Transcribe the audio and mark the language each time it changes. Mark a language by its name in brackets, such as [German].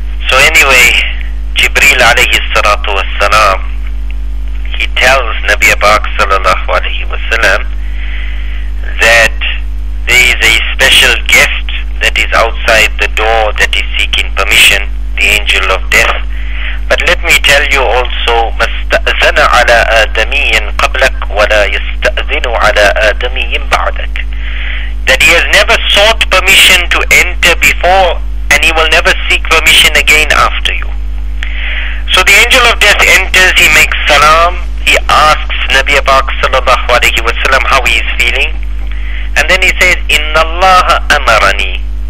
[English] So anyway, Jibreel alayhi salatu wa sallam, he tells Nabi Pak sallallahu alayhi wa sallam that there is a special guest that is outside the door that is seeking permission, the angel of death. But let me tell you also, [Arabic] مَسْتَأْذَنَ عَلَىٰ آدَمِيٍ قَبْلَكَ وَلَا يَسْتَأْذِنُ عَلَىٰ آدَمِيٍ بَعْدَكَ. [English] That he has never sought permission to enter before and he will never seek permission again after you. So the angel of death enters, he makes salam, he asks Nabi Pak sallallahu alayhi wa sallam how he is feeling, and then he says, [Arabic] Inna Allah amarani.